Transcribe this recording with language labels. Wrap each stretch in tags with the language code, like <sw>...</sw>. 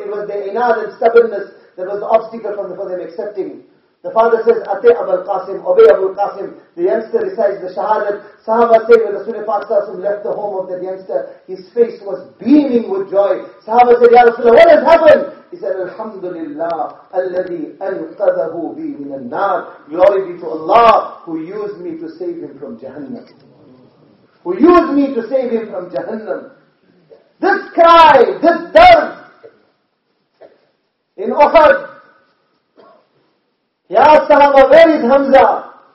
<en>It was their inad and stubbornness that was the obstacle for them accepting. The father says,</en> <ar>أَتِعْ أَبَا الْقَاسِمْ.</ar> <en>Obey Abu Qasim. The youngster recites the shahadat. Sahaba said, when Rasulullah sallallahu alayhi left the home of that youngster, his face was beaming with joy. Sahaba said, Ya Rasulullah, what has happened? He said, Alhamdulillah,</en> <ar>الَّذِي أَنْقَذَهُ بِي مِنَ النَّارِ.</ar> <en>Glory be to Allah, who used me to save him from Jahannam. Who used me to save him from Jahannam. This cry, this dard, in Uhud, Ya Sahaba, where is Hamza?</en>